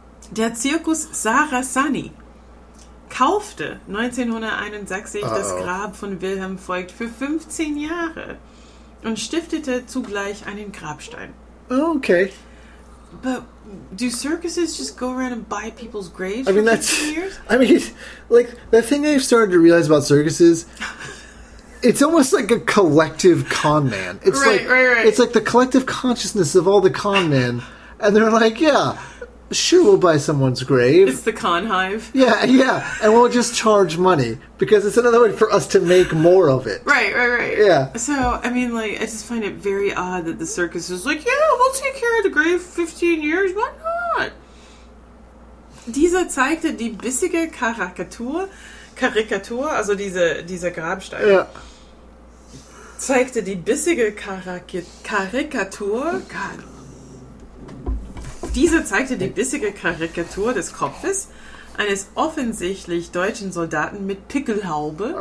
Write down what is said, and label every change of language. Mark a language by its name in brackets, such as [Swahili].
[German] Der Zirkus Sarasani kaufte 1961 das Grab von Wilhelm Voigt für 15 Jahre und stiftete zugleich einen Grabstein. Okay. [English] But do circuses just go around and buy people's graves for 15 years? I mean, like, the thing I've started to realize about circuses, it's almost like a collective con man. It's right. It's like the collective consciousness of all the con men, and they're like, yeah... Sure, we'll buy someone's grave. It's the con hive. Yeah, yeah. And we'll just charge money. Because it's another way for us to make more of it. Right. Yeah. So, I mean, like, I just find it very odd that the circus is like, yeah, we'll take care of the grave for 15 years. Why not? [German] Dieser zeigte die bissige Karikatur, also dieser Grabstein. Ja. [English] Yeah. [German] Zeigte die bissige Karikatur. [English] Oh, God. [German] Dieser zeigte die bissige Karikatur des Kopfes eines offensichtlich deutschen Soldaten mit Pickelhaube.